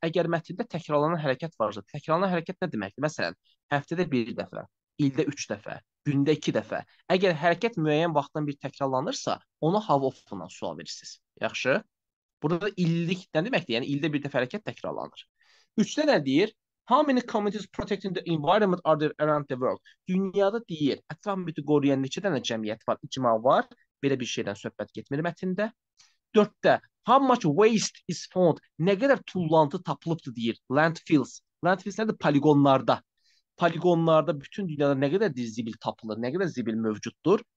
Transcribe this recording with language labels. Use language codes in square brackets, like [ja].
[az] Əgər mətndə təkrarlanan hərəkət varsa, təkrarlanan hərəkət nə deməkdir? Məsələn, həftədə bir dəfə, ildə üç dəfə, gündə iki dəfə. Əgər hərəkət müəyyən vaxtdan bir təkrarlanırsa, ona how often'dan sual verirsiniz. Yaxşı? Burada illik nə deməkdir? Yəni ildə bir dəfə hərəkət təkrarlanır. Üçdə nə deyir? [en] How many communities protecting the environment are there around the world? [az] Dünyada deyir, ətraf mühiti qoruyan neçə dənə cəmiyyət var, icma var. Belə bir şeydən söhbət getmir mətində. Dörddə, [en] how much waste is found? [az] Nə qədər tullantı tapılıbdır deyir. Landfills. Landfills nədir? Poligonlarda. Poligonlarda bütün dünyada nə qədər zibil tapılır, nə qədər zibil mövcuddur.